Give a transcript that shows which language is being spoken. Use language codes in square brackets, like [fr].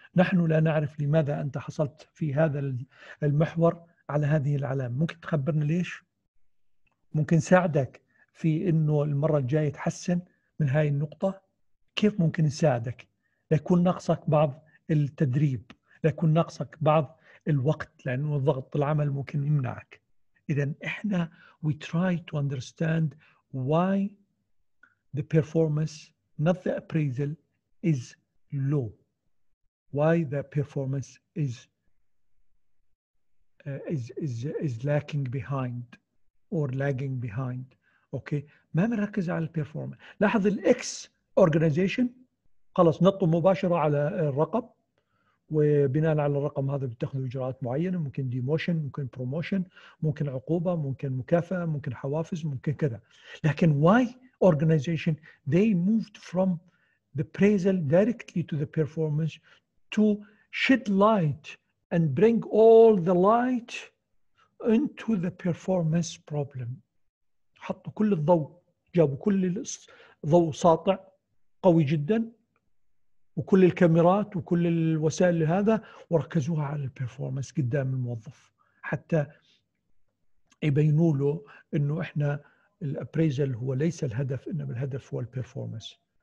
[ar] نحن لا نعرف لماذا أنت حصلت في هذا المحور على هذه العلامة، ممكن تخبرنا ليش؟ ممكن ساعدك في أنه المرة الجاية تحسن من هاي النقطة؟ كيف ممكن نساعدك؟ ليكون ناقصك بعض التدريب، ليكون ناقصك بعض الوقت لأنه ضغط العمل ممكن يمنعك. إذن إحنا [en] we try to understand why the performance, not the appraisal, is low. Why the performance is lacking behind or lagging behind. [ar] Okay, ما مركز على performance. لاحظ ال X organization خلاص نطوا مباشرة على الرقم، وبناء على الرقم هذا بتاخذوا اجراءات معينه، ممكن ديموشن، ممكن بروموشن، ممكن عقوبه، ممكن مكافاه، ممكن حوافز، ممكن كذا. [en] لكن why organization they moved from the appraisal directly to the performance to shed light and bring all the light into the performance problem. [ar] حطوا كل الضوء، جابوا كل الضوء ساطع قوي جدا وكل الكاميرات وكل الوسائل لهذا وركزوها على البرفورمانس قدام الموظف حتى يبينوا له انه احنا الابريزل هو ليس الهدف، انما الهدف هو البرفورمانس.